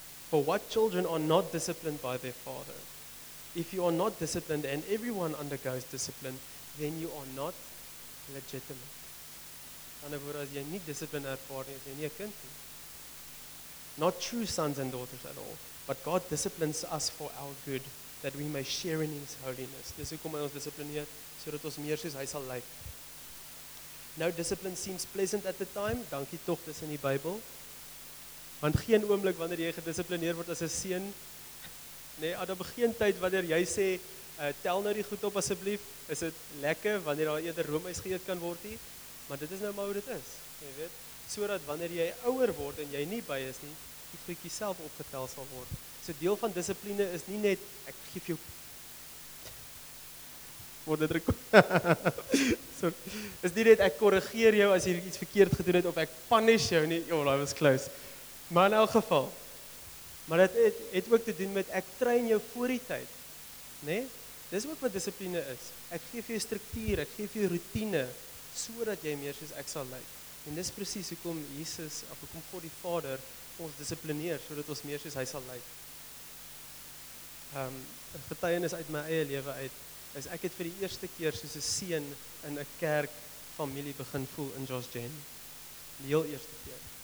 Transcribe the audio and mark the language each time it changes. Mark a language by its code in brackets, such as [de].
[en] For what children are not disciplined by their father? If you are not disciplined and everyone undergoes discipline, then you are not legitimate. [af] In other words, as jy nie discipline ervaar nie, as jy nie 'n kind nie. [en] Not true sons and daughters at all, but God disciplines us for our good, that we may share in his holiness. [af] Dis hoekom hy ons disciplineer, sodat ons meer soos hy sal lyk. [en] No discipline seems pleasant at the time. [af] Dankie tog, dis in die Bybel. Want geen oomblik wanneer jy gedissiplineer word as 'n seun, nê, nee, daar begin tyd wanneer jy sê, tel nou die goed op asseblief, is dit lekker wanneer daar eerder roomys geëet kan word nie, maar dit is nou maar hoe dit is, jy weet, sodat wanneer jy ouer word en jy nie by is nie, die goedjies self opgetel sal word. So deel van dissipline is nie net ek gee jou word dit so, is nie net ek korrigeer jou as jy iets verkeerd gedoen het, of ek punish jou nie, [en] oh, that was close. [af] Maar in elk geval, maar dit het ook te doen met ek train jou voor die tyd, nê? Nee? Dis ook wat dissipline is. Ek gee vir jou struktuur, ek gee vir jou routine, sodat jy meer soos ek sal lyk. En dis presies hoekom Jesus, of hoekom God die Vader, ons dissiplineer, sodat ons meer soos hy sal lyk. Getuienis uit my eie lewe uit, is ek het vir die eerste keer soos 'n seun in 'n kerk familie begin voel in Jos Gen. Die heel eerste keer.